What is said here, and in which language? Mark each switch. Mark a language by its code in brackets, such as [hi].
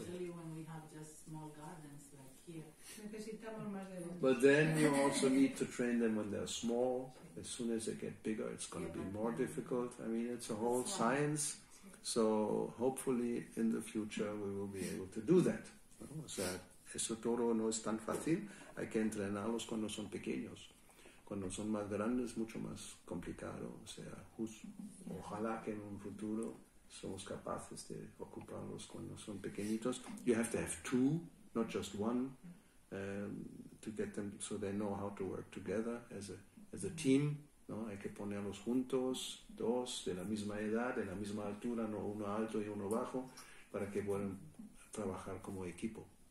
[en] Especially when we have just small gardens like here. [es] Necesitamos más de bulls. [en] But then you also need to train them when they're small. As soon as they get bigger, it's going to be more difficult. I mean, it's a whole science. So hopefully in the future we will be able to do that. [es] ¿No? O sea, eso todo no es tan fácil. Hay que entrenarlos cuando son pequeños. Cuando son más grandes, mucho más complicado. O sea, ojalá que en un futuro somos capaces de ocuparlos cuando son pequeñitos. [en] You have to have two, not just one, to get them so they know how to work together as a team. [es] ¿No? Hay que ponerlos juntos, dos, de la misma edad, de la misma altura, no uno alto y uno bajo, para que puedan trabajar como equipo.